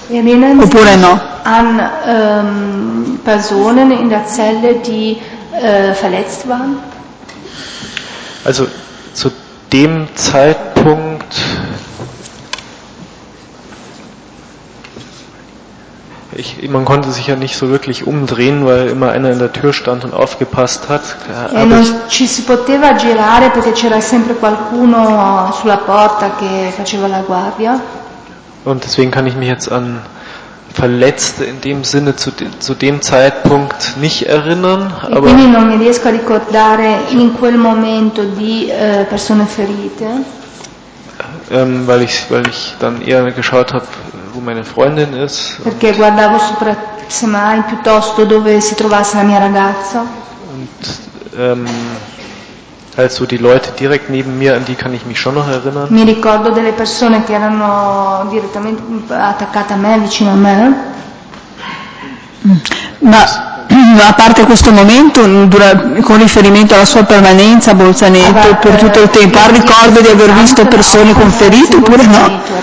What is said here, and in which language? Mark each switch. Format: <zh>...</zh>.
<de>Erinnern</de> <it>oppure</it> <de>Sie</de> <it>no?</it> <de>An Personen in der Zelle, die verletzt waren? Also zu dem Zeitpunkt man konnte sich ja nicht so wirklich umdrehen, weil immer einer in der Tür stand und aufgepasst hat.</de> <it>Non ci si poteva girare perché c'era sempre qualcuno sulla porta che faceva la guardia.</it> <de>Und deswegen kann ich mich jetzt an Verletzte in dem Sinne zu dem Zeitpunkt nicht erinnern, aber</de> <it>quindi non mi riesco a ricordare in quel momento di persone ferite.</it> <de>Weil ich dann eher geschaut habe, wo meine Freundin ist.</de> <it>Perché guardavo sopra semmai piuttosto dove si trovasse la mia ragazza.</it> <de>Und also die Leute direkt neben mir, an die kann ich mich schon noch erinnern.</de> <it>Mi ricordo delle persone che erano direttamente attaccate a me, vicino a me. Ma a parte questo momento, con riferimento alla sua permanenza a Bolzaneto per tutto il tempo, ha ricordo di aver visto persone con ferite oppure no?</it>